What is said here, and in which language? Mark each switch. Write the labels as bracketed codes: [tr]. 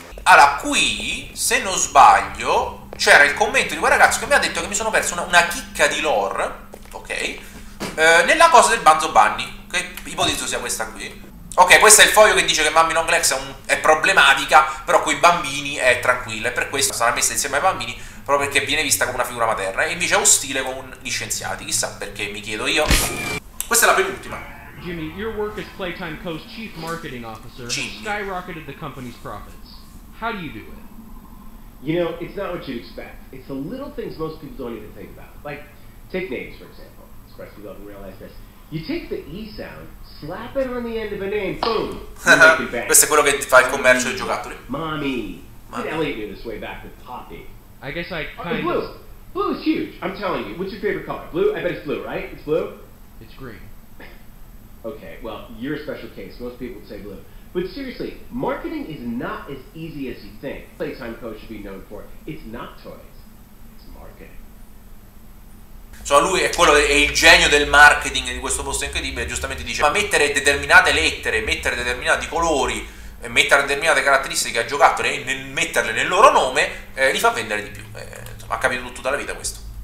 [it] Allora, qui, se non sbaglio... C'era il commento di quel ragazzo che mi ha detto che mi sono perso una chicca di lore, ok, nella cosa del Banzo Bunny, che ipotizzo sia questa qui. Ok, questo è il foglio che dice che Mammy Long Legs è problematica, però con i bambini è tranquilla, e per questo sarà messa insieme ai bambini, proprio perché viene vista come una figura materna, e invece è ostile con gli scienziati, chissà perché, mi chiedo io. Questa è la penultima. [en] Jimmy, your work as Playtime Co's chief marketing officer skyrocketed the company's profits. How do you do it? You know, it's not what you'd expect. It's the little things most people don't even think about. Like, take names, for example. Of course, you don't realize this. You take the E sound, slap it on the end of a name, boom! [it] Questo è quello che fa il commercio dei giocattoli. [en] Mommy! Mommy. Did Elliot do this way back with Poppy? I guess I kind of... Blue! Blue is huge, I'm telling you. What's your favorite color? Blue? I bet it's blue, right? It's blue? It's green. Okay, well, you're a special case. Most people would say blue. But seriously, marketing is not as easy as you think. Playtime Co. should be known for. It's not toys. It's marketing. [it] Cioè lui è quello, è il genio del marketing di questo posto incredibile. Giustamente dice, ma mettere determinate lettere, mettere determinati colori, mettere determinate caratteristiche a giocattoli e metterle nel loro nome, li fa vendere di più. Insomma, ha capito tutta la vita questo.